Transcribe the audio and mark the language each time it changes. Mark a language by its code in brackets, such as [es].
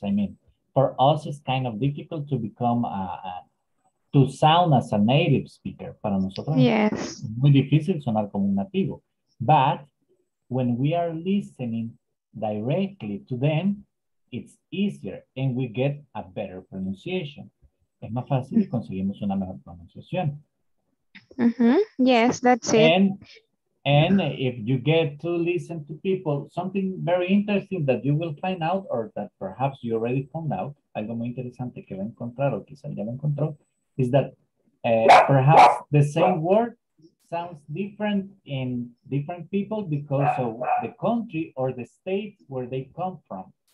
[en] I mean, for us, it's kind of difficult to become to sound as a native speaker. [es] Para nosotros, [en] yes, [es] muy difícil sonar como un nativo. [en] But when we are listening directly to them, it's easier and we get a better pronunciation. [es] Es más fácil y conseguimos una mejor pronunciación. [en] Mm-hmm. Yes, that's it. And if you get to listen to people, something very interesting that you will find out, or that perhaps you already found out, [es] algo muy interesante que va a encontrar o quizá ya lo encontró, [en] is that perhaps the same word sounds different in different people because of the country or the state where they come from.